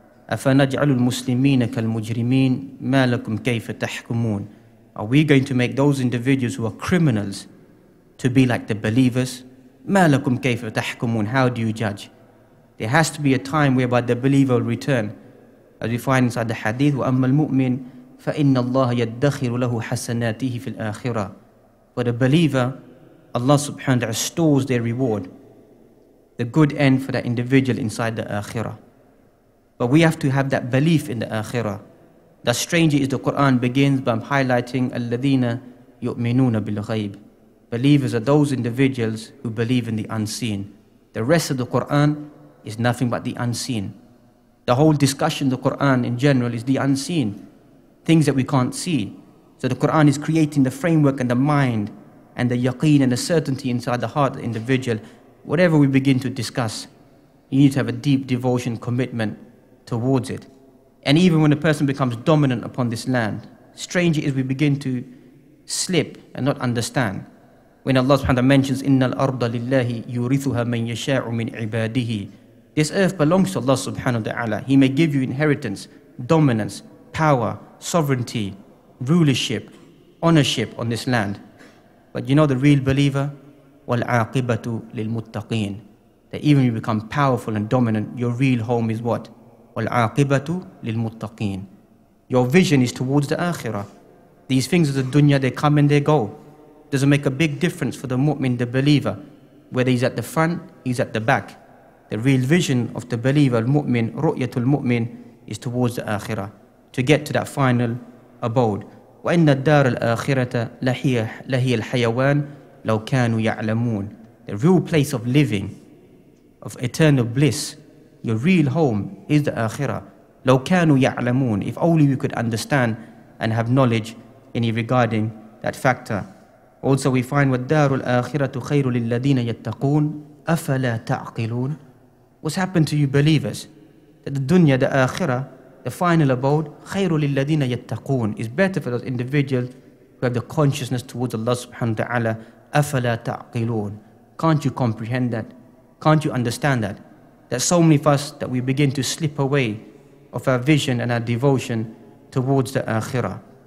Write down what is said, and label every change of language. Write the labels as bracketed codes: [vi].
[ar] أَفَنَجْعَلُ الْمُسْلِمِينَ كَالْمُجْرِمِينَ مَا لَكُمْ كَيْفَ تَحْكُمُونَ. [en] Are we going to make those individuals who are criminals to be like the believers? [ar] مَا لَكُمْ كَيْفَ تَحْكُمُونَ. [en] How do you judge? There has to be a time whereby the believer will return. As we find inside the hadith, [ar] وَأَمَّا الْمُؤْمِنِ فَإِنَّ اللَّهَ يَدَّخِرُ لَهُ حَسَنَاتِهِ فِي الْآخِرَةِ. [en] For the believer, Allah subhanahu wa ta'ala stores their reward, the good end for that individual inside the akhirah. But we have to have that belief in the akhirah. The stranger is the Quran begins by highlighting [ar] الَّذِينَ يُؤْمِنُونَ بِالْغَيْبِ. [en] Believers are those individuals who believe in the unseen. The rest of the Quran is nothing but the unseen. The whole discussion of the Quran in general is the unseen, things that we can't see. So the Quran is creating the framework and the mind and the yaqeen and the certainty inside the heart of the individual. Whatever we begin to discuss, you need to have a deep devotion, commitment towards it. And even when a person becomes dominant upon this land, stranger is we begin to slip and not understand. When Allah subhanahu wa ta'ala mentions, [ar] إِنَّ الْأَرْضَ لِلَّهِ يُورِثُهَا مَنْ يَشَاءُ مِنْ عِبَادِهِ. [en] This earth belongs to Allah subhanahu wa ta'ala. He may give you inheritance, dominance, power, sovereignty, rulership, ownership on this land. But you know the real believer? [ar] وَالْعَاقِبَةُ لِلْمُتَّقِينَ. [en] That even you become powerful and dominant, your real home is what? [ar] وَالْعَاقِبَةُ لِلْمُتَّقِينَ. [en] Your vision is towards the akhirah. These things of the dunya, they come and they go. Doesn't make a big difference for the mu'min, the believer, whether he's at the front, he's at the back. The real vision of the believer, al-mu'min, ru'yatul mu'min, is towards the akhirah, to get to that final abode. [ar] وَإِنَّ الدَّارَ الْآخِرَةَ لَهِيَ الْحَيَوَانِ لَوْ كَانُوا يَعْلَمُونَ. [en] The real place of living, of eternal bliss, your real home is the akhirah. [ar] لَوْ كَانُوا يَعْلَمُونَ. [en] If only we could understand and have knowledge any regarding that factor. Also we find [ar] وَالدَّارُ الْآخِرَةُ خَيْرُ لِلَّذِينَ يَتَّقُونَ أَفَلَا تَعْقِلُونَ. [en] What's happened to you believers? That the dunya, the akhirah, the final abode, [ar] خَيْرُ لِلَّذِينَ يَتَّقُونَ, [en] is better for those individuals who have the consciousness towards Allah subhanahu wa ta'ala. [ar] أَفَلَا تَعْقِلُونَ. [en] Can't you comprehend that? Can't you understand that? That so many of us, that we begin to slip away of our vision and our devotion towards the akhirah.